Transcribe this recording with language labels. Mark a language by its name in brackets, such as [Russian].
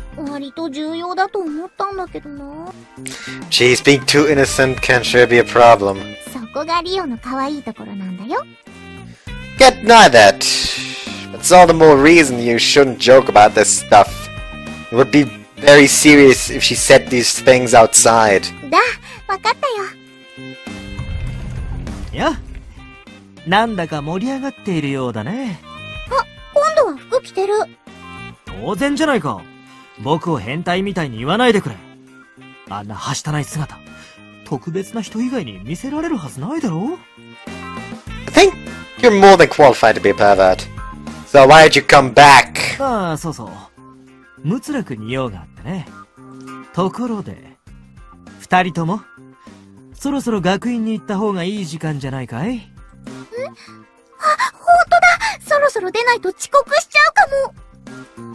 [Japanese] 割と重要だと思ったんだけどな。 [English] She's being too innocent can sure be a problem. [Japanese] そこがリオの可愛いところなんだよ。 [English] Get not that. It's all the more reason you shouldn't joke about this stuff. It would be very serious if she said these things outside. [Japanese] だ、わかったよ。いや、なんだか盛り上がっているようだね。あ、今度は服着てる。当然じゃないか。僕を変態みたいに言わないでくれ。あんなはしたない姿、特別な人以外に見せられるはずないだろう。 [English] I think you're more than qualified to be a pervert. So why did you come back? [Japanese] ああ、そうそう。ムツラ君に用があってね。ところで、二人とも、そろそろ学院に行った方がいい時間じゃないかい？ん？あ、本当だ！そろそろ出ないと遅刻しちゃうかも。